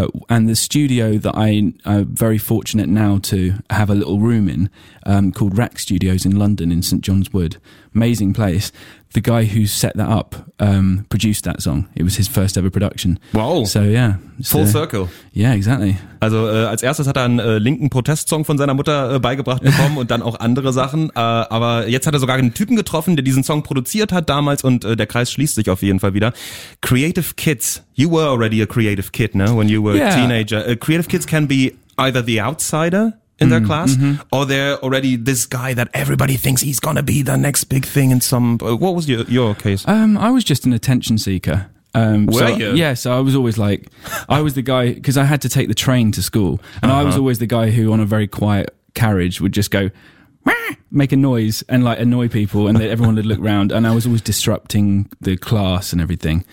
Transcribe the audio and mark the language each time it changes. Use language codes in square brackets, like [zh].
[en] And the studio that I am very fortunate now to have a little room in, called Rack Studios in London in St. John's Wood. Amazing place. The guy who set that up produced that song. It was his first ever production. Wow. So yeah. Full circle. Yeah, exactly. [de] Also als erstes hat er einen linken Protestsong von seiner Mutter beigebracht bekommen und dann auch andere Sachen. Aber jetzt hat er sogar einen Typen getroffen, der diesen Song produziert hat damals, und der Kreis schließt sich auf jeden Fall wieder. [en] Creative Kids. You were already a creative kid, no? When you were a teenager. Creative kids can be either the outsider in their class, or they're already this guy that everybody thinks he's gonna be the next big thing in some. What was your case? I was just an attention seeker. So I was always like, I was the guy, because I had to take the train to school, and I was always the guy who, on a very quiet carriage, would just go, make a noise and like annoy people, and then everyone would look around, and I was always disrupting the class and everything.